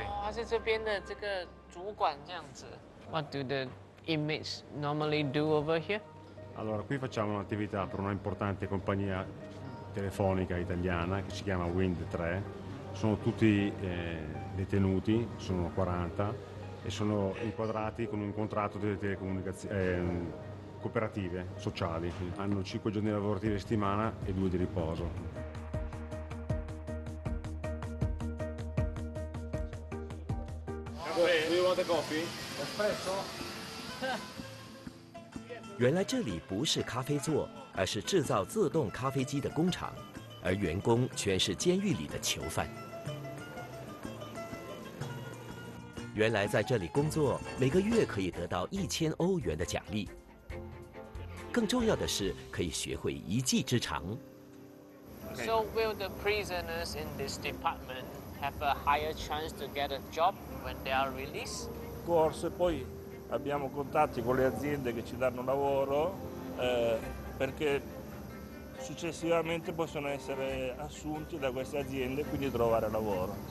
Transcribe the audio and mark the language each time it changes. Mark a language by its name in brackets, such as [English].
[Chinese] Oh, 是这边的这个主管这样子。 [English] What do the inmates normally do over here? [Italian] Allora, qui facciamo un'attività per una importante compagnia telefonica italiana che si chiama Wind 3. Sono tutti detenuti, sono 40, e sono inquadrati con un contratto delle telecomunicazioni cooperative sociali. Hanno 5 giorni lavorativi a settimana e 2 di riposo. [English] Do you want a coffee? Espresso? [Chinese] 原来这里不是咖啡座，而是制造自动咖啡机的工厂，而员工全是监狱里的囚犯。原来在这里工作，每个月可以得到1000欧元的奖励。更重要的是，可以学会一技之长。 [English] So will the prisoners in this department have a higher chance to get a job when they are released? Of course, [Italian] poi abbiamo contatti con le aziende che ci danno lavoro, perché successivamente possono essere assunti da queste aziende e quindi trovare lavoro.